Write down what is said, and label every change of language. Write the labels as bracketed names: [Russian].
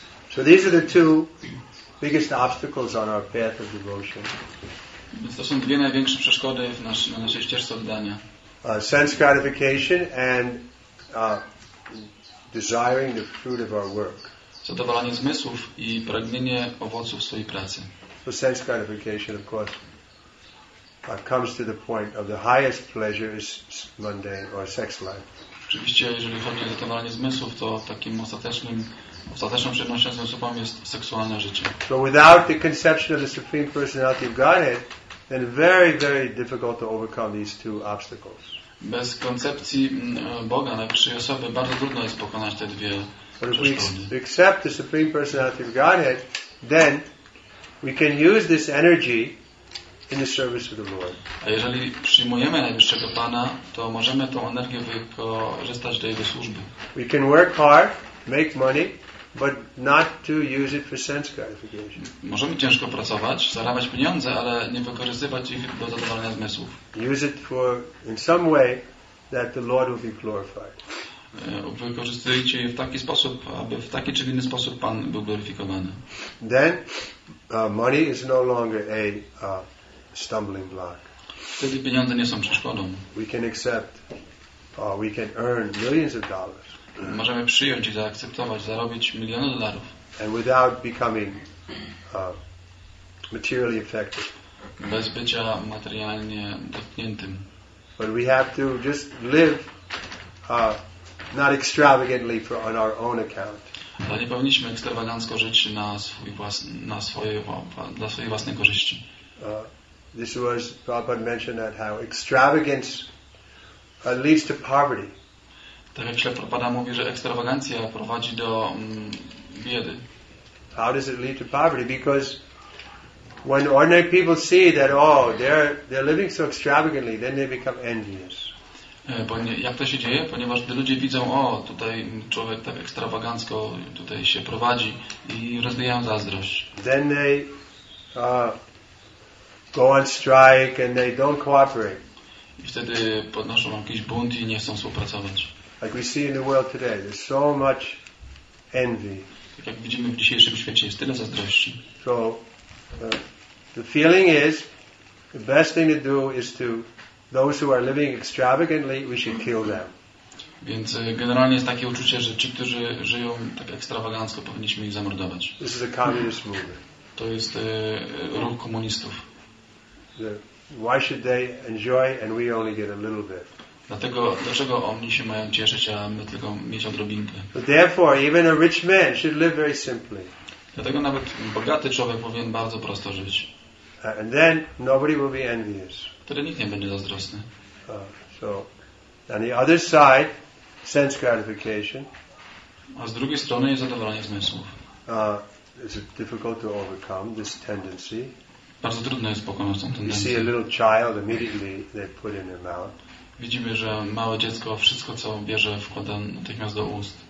[English] So these are the two biggest obstacles on our path of devotion. [Polish] To są dwie największe przeszkody w naszej ścieżce oddania. [English] Sense gratification and desiring the fruit of our work. [Polish] Zadowolenie zmysłów i pragnienie owoców swojej pracy. [English] So sense gratification, of course, comes to the point of the highest pleasure is mundane or sex life. [Polish] Oczywiście, jeżeli chodzi o zadowolenie zmysłów, to takim ostatecznym ostateczną przyjemnością zmysłową jest seksualne życie. [English] But without the conception of the Supreme Personality of Godhead, then very, very difficult to overcome these two obstacles. [Polish] Bez koncepcji Boga, najwyższej osoby, bardzo trudno jest pokonać te dwie przeszkody. [English] But if we accept the Supreme Personality of Godhead, then we can use this energy in the service of the Lord. [Polish] A jeżeli przyjmujemy najwyższego Pana, to możemy tą energię wykorzystać do Jego służby. [English] We can work hard, make money, but not to use it for sense gratification. [Polish] Możemy ciężko pracować, zarabiać pieniądze, ale nie wykorzystywać ich do zadowolenia zmysłów. [English] Use it for in some way that the Lord will be glorified. [Polish] Wykorzystujcie je w taki sposób, aby w taki czy inny sposób Pan był gloryfikowany. [English] Then money is no longer a stumbling block. [Polish] Wtedy pieniądze nie są przeszkodą. [English] We can accept, we can earn millions of dollars. [Polish] Możemy przyjąć i zaakceptować, zarobić miliony dolarów. [English] And without becoming materially affected. [Polish] Bez bycia materialnie dotkniętym. [English] But we have to just live not extravagantly for on our own account. [Polish] Ale nie powinniśmy ekstrawagancko żyć dla swojej własnej korzyści. [English] This was Prabhupada mentioned that how extravagance leads to poverty. [Polish] Tak jak Prabhupada mówi, że ekstrawagancja prowadzi do biedy. [English] How does it lead to poverty? Because when ordinary people see that, oh, they're living so extravagantly, then they become envious. [Polish] Jak to się dzieje? Ponieważ gdy ludzie widzą, o, tutaj człowiek tak ekstrawagancko tutaj się prowadzi i rozwijają zazdrość. [English] Then they go on strike and they don't cooperate. [Polish] I wtedy podnoszą jakiś bunt i nie chcą współpracować. [English] Like we see in the world today, there's so much envy. [Polish] Tak jak widzimy w dzisiejszym świecie, jest tyle zazdrości. [English] So the feeling is, the best thing to do is to those who are living extravagantly, we should kill them. [Polish] Więc generalnie jest takie uczucie, że ci, którzy żyją tak ekstrawagancko, powinniśmy ich zamordować. [English] This is a communist movement. [Polish] To jest ruch komunistów. [English] Why should they enjoy and we only get a little bit? [Polish] Dlatego, dlaczego oni się mają cieszyć, a my tylko mieć odrobinkę? [English] Therefore, even a rich man should live very simply. [Polish] Dlatego nawet bogaty człowiek powinien bardzo prosto żyć. [English] And then nobody will be envious. [Polish] Wtedy nikt nie będzie zazdrosny. [English] So, and the other side, sense gratification. [Polish] A z drugiej strony jest zadowolenie zmysłów. [English] Is it difficult to overcome this tendency? [Polish] Bardzo trudno jest pokonać tę tendencję. [English] You see a little child immediately they put in their mouth. [Polish] Widzimy, że małe dziecko wszystko, co bierze, wkłada natychmiast do ust.